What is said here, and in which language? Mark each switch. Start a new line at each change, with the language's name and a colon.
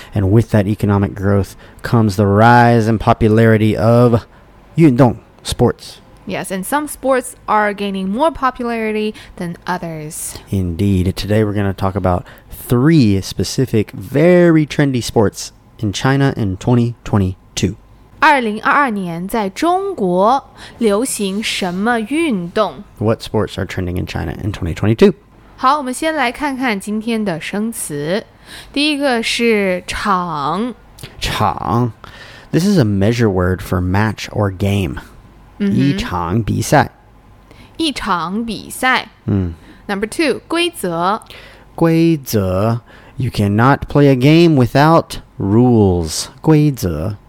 English: And with that economic growth comes the rise in popularity of 运动, sports. Yes, and some sports are gaining more popularity than others. Indeed. Today we're going to talk about three specific, very trendy sports in China in 2022.
Chinese: 2022年在中国流行什么运动?
English: What sports are trending in China in 2022?
Chinese: 好,我们先来看看今天的生词。第一个是场。场。
English: This is a measure word for match or game. Mm-hmm.
Chinese: 一场比赛。一场比赛。
English: Number two,
Chinese: 规则。
English: 规则。You cannot play a game without rules. 规则。